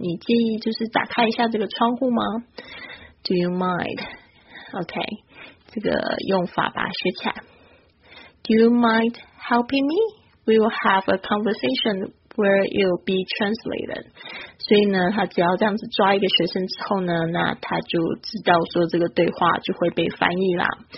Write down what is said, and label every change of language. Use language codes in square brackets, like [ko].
[zh] 你介意就是打开一下这个窗户吗？ [en] Do you mind? [zh] OK, 这个用法把它学起来。 [en] Do you mind helping me? We will have a conversation where it will be translated. [zh] 所以呢，他只要这样子抓一个学生之后呢，那他就知道说这个对话就会被翻译啦。